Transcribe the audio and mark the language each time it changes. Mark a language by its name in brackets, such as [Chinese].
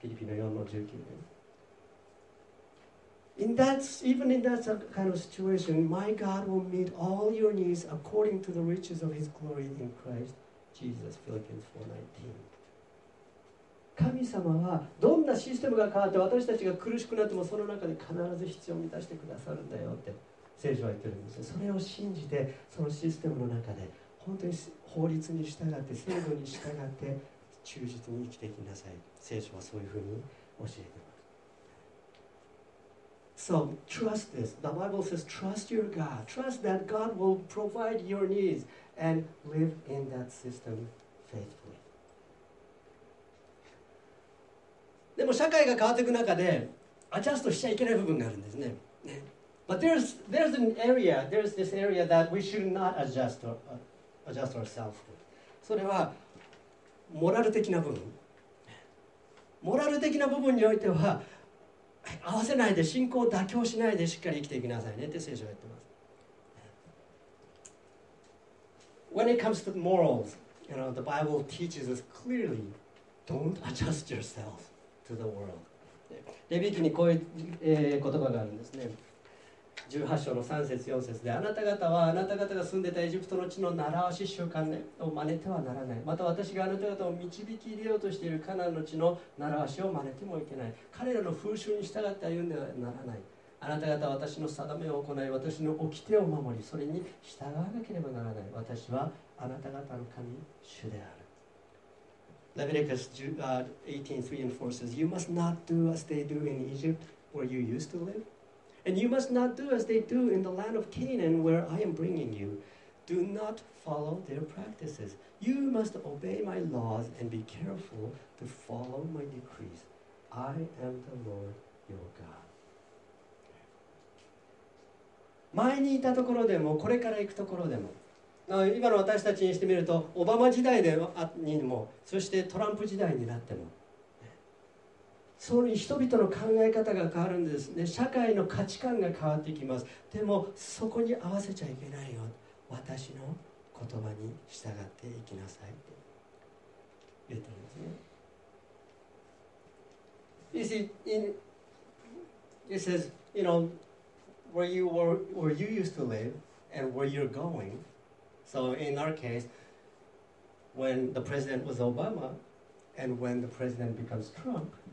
[Japanese] フィリピの4の19年。 [English] In that, even in that kind of situation, my God will meet all your needs according to the riches of his glory in Christ Jesus. Philippians 4:19。 [Japanese] 神様はどんなシステムが変わって私たちが苦しくなってもその中で必ず必要を満たしてくださるんだよって聖書は言ってるんですよ。それを信じてそのシステムの中で本当に法律に従って制度に従って忠実に生きていきなさい。聖書はそういうふうに教えてくれる。 [English] So trust this. The Bible says trust your God. Trust that God will provide your needs and live in that system faithfully. [Japanese] でも社会が変わっていく中でアジャストしちゃいけない部分があるんですね。 [English] But there's an area, there's this area that we should not adjust ourselves to. [Japanese] それはモラル的な部分。モラル的な部分においては合わせないで、信仰を妥協しないでしっかり生きていきなさいねって聖書は言ってます。 [English] When it comes to morals, you know, the Bible teaches us clearly, don't adjust yourself to the world. [Japanese] レビ記にこういう、言葉があるんですね。18章の3節4節で、あなた方はあなた方が住んでたエジプトの地の習わし習慣を真似てはならない。また私があなた方を導き入れようとしているカナンの地の習わしを真似てもいけない。彼らの風習に従って歩んではならない。あなた方は私の定めを行い、私の掟を守り、それに従わなければならない。私はあなた方の神主である。 [English] Leviticus 18:3-4 says, You must not do as they do in Egypt where you used to liveAnd you must not do as they do in the land of Canaan where I am bringing you. Do not follow their practices. You must obey my laws and be careful to follow my decrees. I am the Lord your God. [Japanese] 前にいたところでも、これから行くところでも、今の私たちにしてみると、オバマ時代でにも、そしてトランプ時代になっても、そういう人々の考え方が変わるんですね。社会の価値観が変わってきます。でもそこに合わせちゃいけないよ。私の言葉に従っていきなさいって言ってるんですね。 [English] You see, it says, you know, where you were, where you used to live, and where you're going. So in our case, when the president was Obama, and when the president becomes Trump.